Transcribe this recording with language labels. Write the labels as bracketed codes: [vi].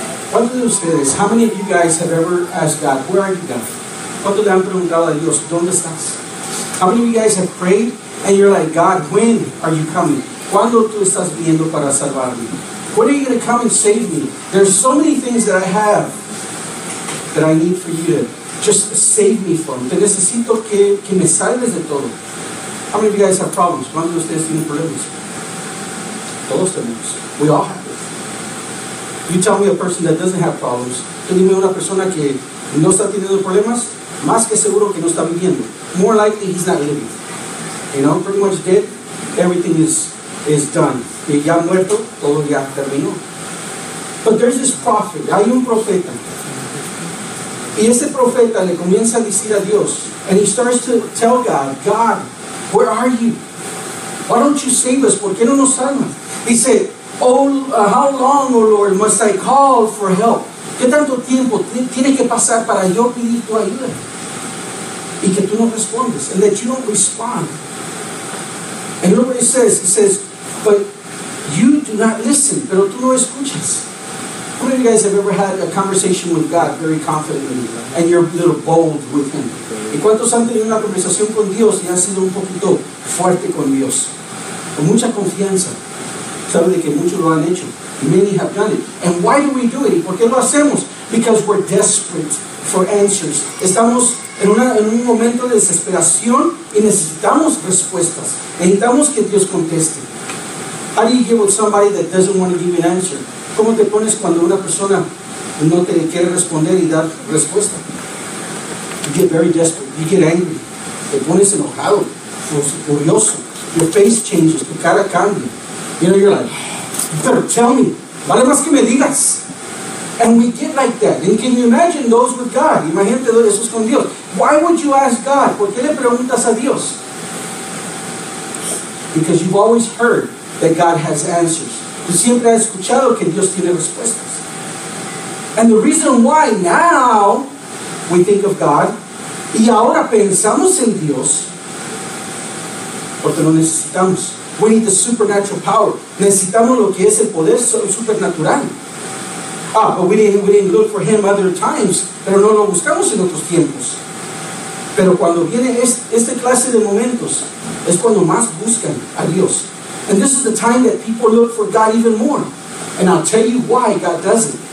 [es] ¿Cuántos de ustedes, [en] how many of you guys have ever asked God, where are you, God? [es] ¿Cuántos le han preguntado a Dios, dónde estás? [en] How many of you guys have prayed and you're like, God, when are you coming? [es] ¿Cuándo tú estás viniendo para salvarme? [en] When are you going to come and save me? There's so many things that I have that I need for you to just save me from. [es] Te necesito que me salves de todo. [en] How many of you guys have problems? [es] ¿Cuántos de ustedes tienen problemas? Todos tenemos. [en] We all have it. You tell me a person that doesn't have problems. [es] Tú dime una persona que no está teniendo problemas. Más que seguro que no está viviendo. [en] More likely he's not living. You know, pretty much dead. Everything is done. [es] Y ya muerto, todo ya terminó. [en] But there's this prophet. [es] Hay un profeta. Y ese profeta le comienza a decir a Dios. [en] And he starts to tell God, God, where are you? Why don't you save us? [es] ¿Por qué no nos salvas? [en] He said, how long, O Lord, must I call for help? [es] ¿Qué tanto tiempo tiene que pasar para yo pedir tu ayuda? Y que tú no respondes. [en] And that you don't respond. And look what he says. He says, but you do not listen. [es] Pero tú no escuchas. [en] How many of you guys have ever had a conversation with God very confidently and you're a little bold with Him? [es] ¿Y cuántos han tenido una conversación con Dios y han sido un poquito fuerte con Dios? Con mucha confianza. Saben de que muchos lo han hecho. [en] Many have done it. And why do we do it? [es] ¿Por qué lo hacemos? [en] Because we're desperate for answers. [es] Estamos en un momento de desesperación y necesitamos respuestas. Necesitamos que Dios conteste. [en] How do you get with somebody that doesn't want to give an answer? [es] ¿Cómo te pones cuando una persona no te quiere responder y dar respuesta? [en] You get very desperate. You get angry. [es] Te pones enojado, furioso. [en] Your face changes. [es] Tu cara cambia. [en] You know, you're like, better tell me. [es] Vale más que me digas. [en] And we get like that. And can you imagine those with God? [es] Imagínate esos con Dios. [en] Why would you ask God? [es] ¿Por qué le preguntas a Dios? [en] Because you've always heard that God has answers. [es] Tú siempre has escuchado que Dios tiene respuestas. [en] And the reason why now we think of God, [es] y ahora pensamos en Dios, porque lo necesitamos. [en] We need the supernatural power. [es] Necesitamos lo que es el poder supernatural. [en] Ah, but we didn't look for Him other times. [es] Pero no lo buscamos en otros tiempos. Pero cuando viene este clase de momentos, es cuando más buscan a Dios. [en] And this is the time that people look for God even more. And I'll tell you why God does it.